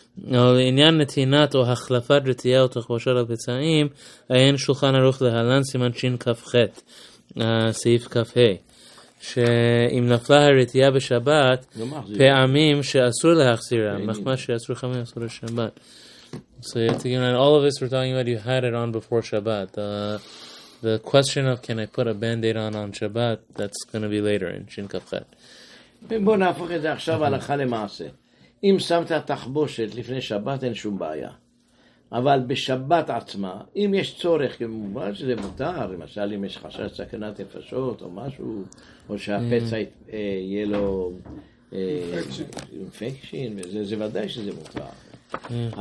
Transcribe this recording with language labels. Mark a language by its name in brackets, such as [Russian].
[Hebrew] אבל לעניין נתינת או החלפת רטייה או תחבושות על פצעים, אין שולחן ערוך להלן סימן שין כף ח' סעיף כף ה'. שאם נפלה הרטייה בשבת, פעמים שאסור להחזירה, מחמה שאסור חמים אסור לשבת. [English] So you have to give it, all of this we're talking about, you had it on before Shabbat. The question of can I put a bandaid on Shabbat, that's going to be later in Shin Kaf Chet. [Hebrew] בוא נהפוך את זה עכשיו הלכה למעשה. אם שמת תחבושת לפני שבת, אין שום בעיה. אבל בשבת עצמה, אם יש צורך, כמובן שזה מותר, למשל אם יש חשש סכנת נפשות או משהו, או שהפצע יהיה לו אינפקשין, זה ודאי שזה מותר.